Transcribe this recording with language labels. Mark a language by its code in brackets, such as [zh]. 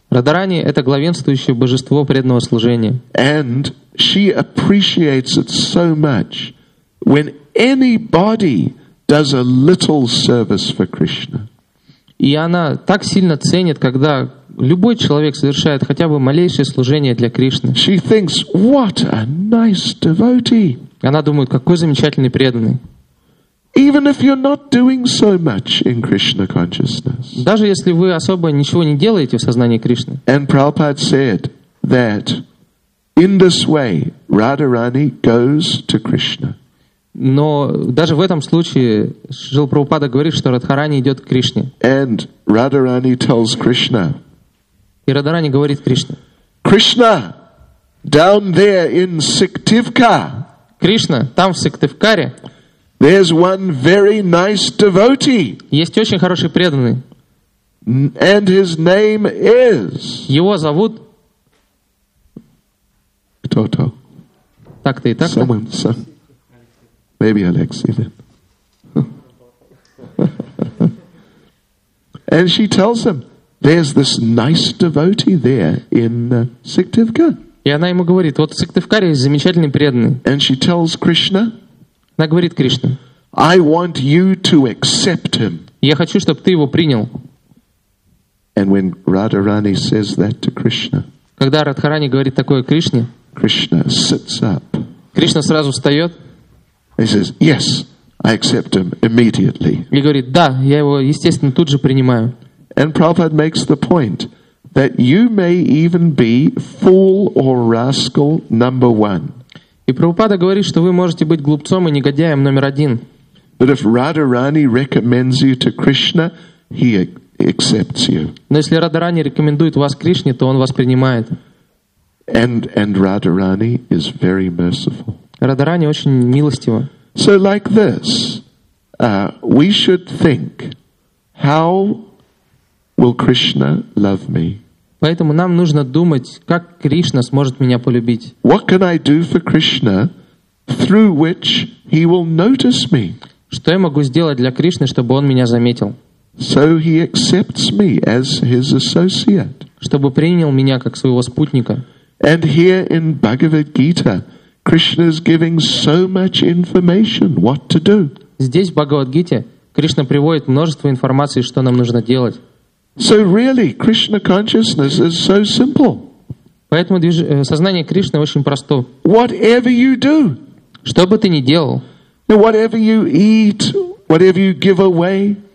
[ru] Радхарани — это главенствующее божество преданного служения. [en] And she appreciates it so much when anybody does a little service for Krishna. [ru] И она так сильно ценит, когда любой человек совершает хотя бы малейшее служение для Кришны. [en] She thinks, what a nice devotee. [ru] Она думает, какой замечательный преданный. [en] Even if you're not doing so much in Krishna consciousness. [ru] Даже если вы особо ничего не делаете в сознании Кришны. [en] And Prabhupada said that in this way, Radharani goes to Krishna. [ru] Но даже в этом случае Шрила Прабхупада говорит, что Радхарани идет к Кришне. [en] And Radharani tells Krishna. [ru] И Радхарани говорит Кришне. [en] Krishna, down there in Сиктивка. [ru] Кришна, там в Сиктивкаре. [en] There's one very nice devotee. [ru] Есть очень хороший преданный. [en] And his name is. [ru] Его зовут. Кто-то. Так-то и так-то. [en] Someone. Maybe Alexei then. And she tells him, there's this nice devotee there in Сиктивка. [ru] И она ему говорит, вот в Сиктивкаре есть замечательный преданный. [en] And she tells Krishna. [ru] Она говорит Кришне. [en] I want you to accept him. [ru] Я хочу, чтобы ты его принял. [en] And when Radharani says that to Krishna, [ru] когда Радхарани говорит такое Кришне, [en] Krishna sits up. [ru] Кришна сразу встает. [en] He says, "Yes, I accept him immediately." [ru] И говорит, да, я его естественно тут же принимаю. [en] And Prabhupada makes the point that you may even be fool or rascal number one. [ru] И Прабхупада говорит, что вы можете быть глупцом и негодяем номер один. [en] But if Radharani recommends you to Krishna, he accepts you. [ru] Но если Радхарани рекомендует вас Кришне, то он вас принимает. [en] And Radharani is very merciful. [ru] Радхарани очень милостива. [en] So like this, we should think, how will Krishna love me? [ru] Поэтому нам нужно думать, как Кришна сможет меня полюбить. [en] What can I do for Krishna through which he will notice me? [ru] Что я могу сделать для Кришны, чтобы он меня заметил? [en] So he accepts me as his associate. [ru] Чтобы принял меня как своего спутника. [en] And here in Bhagavad Gita, Krishna is giving so much information what to do. [ru] Здесь в Бхагавад-гите Кришна приводит множество информации, что нам нужно делать. [en] So really, Krishna consciousness is so simple. [ru] Поэтому сознание Кришны очень просто. [en] Whatever you do, [ru] что бы ты ни делал, [en] whatever you eat, whatever you give away,